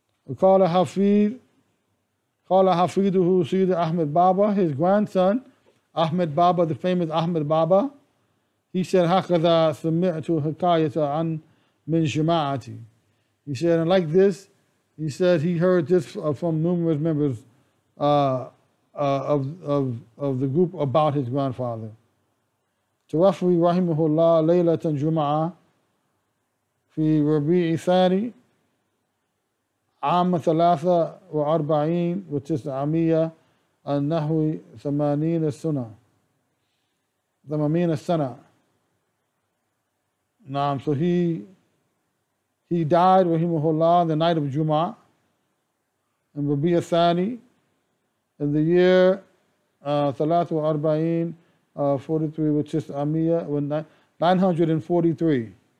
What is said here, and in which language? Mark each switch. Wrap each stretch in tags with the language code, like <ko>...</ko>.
<ar>Qala Hafidhu Sayyid Ahmed Baba,</ar> <en>his grandson,</en> <ar>Ahmed Baba,</ar> <en>the famous</en> <ar>Ahmed Baba,</ar> <en>he said,</en> <ar>Hakada Sami'tu Hikayata an min Jama'ati.</ar> <en>He said, and like this, he said he heard this from numerous members of the group about his grandfather.</en> <ar>توفي رحمه الله ليلة جمعة في ربيع ثاني عام 43 وتسعمائة النحو 80 سنة 80 سنة. نعم.</ar> <en>So he died</en> <ar>رحمه الله</ar> <en>on the night of جمعة in ربيع ثاني in the year 43 43, which is Amiya, 943.</en>